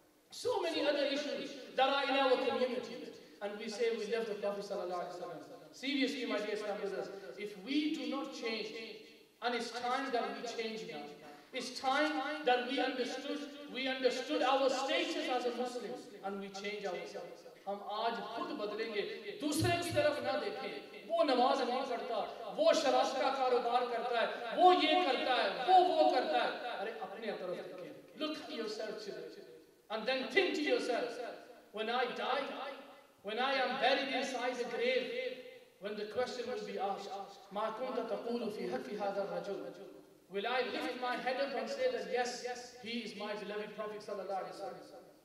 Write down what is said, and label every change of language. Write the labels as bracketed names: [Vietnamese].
[English] So many other issues that are in our community, and we say we love the Prophet sallallahu alaihi wasallam. Seriously, my dear Islam brothers, if we do not change, and it's time that we change now. It's time that we understood. We understood our status as a Muslim, and we change ourselves. [Hindi] हम आज खुद बदलेंगे. दूसरे की तरफ ना देखें. वो नमाज नहीं पढ़ता. वो शराब का कारोबार करता है. वो ये करता है. वो करता है. अरे अपने तरफ देखें. [English] Look at yourself, children, and then think to yourself: When I die, when I am buried inside the grave, when the question will be asked, [Arabic] ما كنت تقول في حفي هذا الرجل. [English] Will I lift my head up and say that yes, he is my beloved Prophet sallallahu alaihi wasallam?